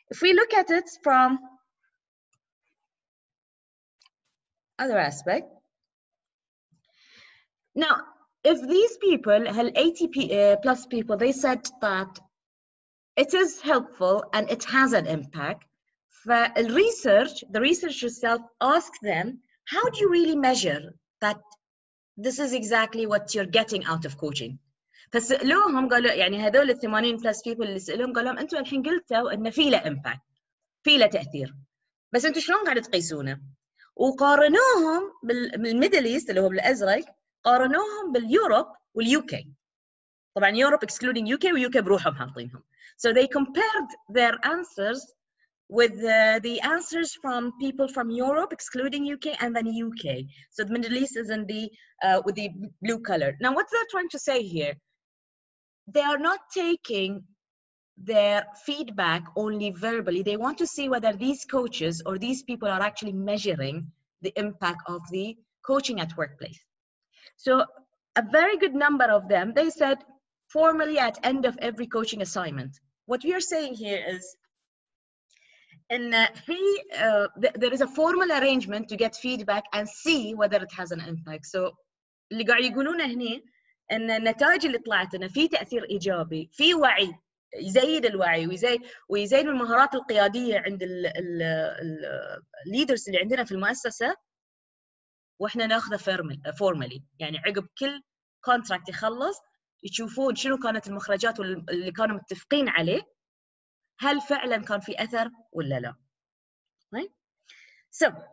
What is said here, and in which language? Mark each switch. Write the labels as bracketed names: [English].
[English] If we look at it from other aspect, now, if these people, 80 plus people, they said that it is helpful and it has an impact, the research itself asked them, how do you really measure that this is exactly what you're getting out of coaching? [Arabic] فسألوهم قالوا يعني هذول [English] 80 plus people [Arabic] اللي سألوهم قالوا انتوا الحين قلتوا ان في له impact في له تأثير بس انتوا شلون قاعد تقيسونه؟ وقارنوهم بالميدل ايست اللي هو بالأزرق، قارنوهم باليوروب واليوكي. طبعا يوروب excluding يوكي، ويوكي بروحهم حاطينهم. [English] So they compared their answers with the answers from people from Europe excluding UK and then UK. So the Middle East is in the with the blue color. Now what they're trying to say here, they are not taking their feedback only verbally. They want to see whether these coaches or these people are actually measuring the impact of the coaching at workplace. So a very good number of them, they said formally at end of every coaching assignment. What we are saying here is, and there is a formal arrangement to get feedback and see whether it has an impact. [Arabic] So اللي قاعد يقولونه هني ان النتائج اللي طلعت انه في تاثير ايجابي، في وعي يزيد الوعي ويزيد المهارات القياديه عند الليدرز اللي عندنا في المؤسسه، واحنا ناخذه فورمالي يعني عقب كل كونتراكت يخلص يشوفون شنو كانت المخرجات اللي كانوا متفقين عليه، هل فعلا كان في اثر ولا لا. [English] Right? So